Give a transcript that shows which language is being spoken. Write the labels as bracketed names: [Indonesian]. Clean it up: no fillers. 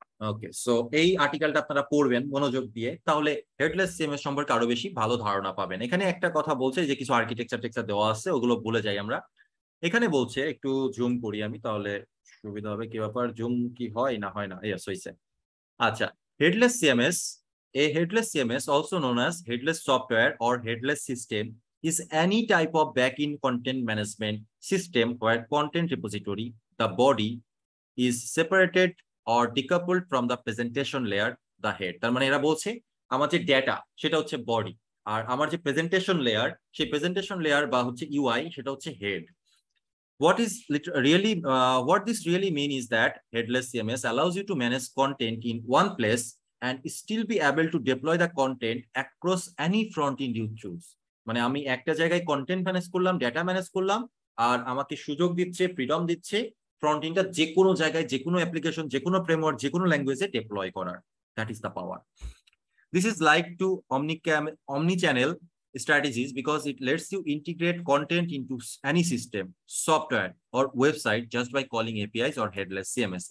[Bangla] ওকে, so এই আর্টিকেলটা আপনারা পড়বেন মনোযোগ দিয়ে, তাহলে হেডলেস সিএমএস সম্পর্কে আরো বেশি ভালো ধারণা পাবেন। এখানে একটা কথা বলছে যে কিছু আর্কিটেকচার টেকচার দেওয়া আছে, ওগুলো বলে যাই আমরা। এখানে বলছে, একটু জুম করি আমি তাহলে সুবিধা হবে, কি ব্যাপার, জুম কি হয় না হয় না? ইয়েস, হইছে। [English] আচ্ছা, headless CMS, a headless CMS also known as headless software or headless system is any type of back-end content management system where content repository, the body, is separated or decoupled from the presentation layer, the head. [Bangla] তার মানে এরা বলছে আমার যে data সেটা হচ্ছে body, আর আমার যে প্রেজেন্টেশন লেয়ার, সেই প্রেজেন্টেশন লেয়ার বা হচ্ছে UI সেটা হচ্ছে head. [English] What is really, what this really mean is that headless CMS allows you to manage content in one place and still be able to deploy the content across any front-end you choose. [Bangla] মানে আমি একটা জায়গায় content manage করলাম, data manage করলাম, আর আমাকে সুযোগ দিচ্ছে, freedom দিচ্ছে ফ্রন্ট এন্ডটা যে কোনো জায়গায় যে কোনো অ্যাপ্লিকেশন, যে কোনো ফ্রেমওয়ার্ক, যে কোনো ল্যাঙ্গুয়েজে ডিপ্লয় করার। [English] That is the power. This is like to omni channel strategies because it lets you integrate content into any system, software or website just by calling APIs or headless CMS।